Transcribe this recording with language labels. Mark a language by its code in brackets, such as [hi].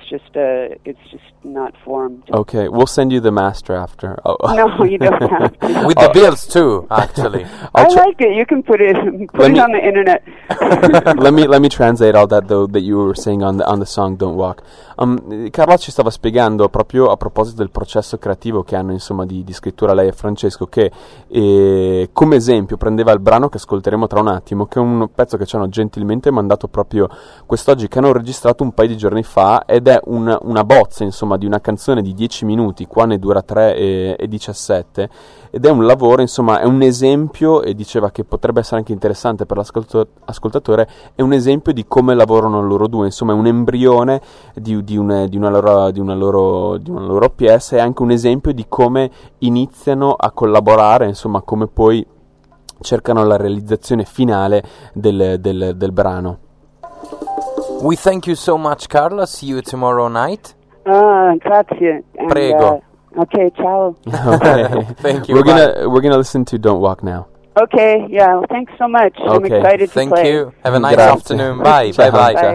[en] It's just not formed. Okay, we'll send you the master after. Oh. No, you don't have to. With the bills too, actually. I like it. You can put it on the internet. let me translate all that though that you were saying on the song Don't Walk. [it] Carla ci stava spiegando proprio a proposito del processo creativo che hanno, insomma, di scrittura lei e Francesco, che come esempio prendeva il brano che ascolteremo tra un attimo, che è un pezzo che ci hanno gentilmente mandato proprio quest'oggi, che hanno registrato un paio di giorni fa, ed è una bozza, insomma, di una canzone di 10 minuti, qua ne dura 3 e 17, ed è un lavoro, insomma, è un esempio, e diceva che potrebbe essere anche interessante per l'ascoltatore, è un esempio di come lavorano loro due, insomma, è un embrione di una loro PS, è anche un esempio di come iniziano a collaborare, insomma, come poi cercano la realizzazione finale del brano. [en] We thank you so much, Carla. See you tomorrow night. [it] Grazie. Prego. Okay, ciao. [en] Okay. Thank you. We're gonna listen to Don't Walk Now. Okay, yeah. Well, thanks so much. Okay. I'm excited to play. Thank you. Have a nice afternoon. Bye. Bye-bye.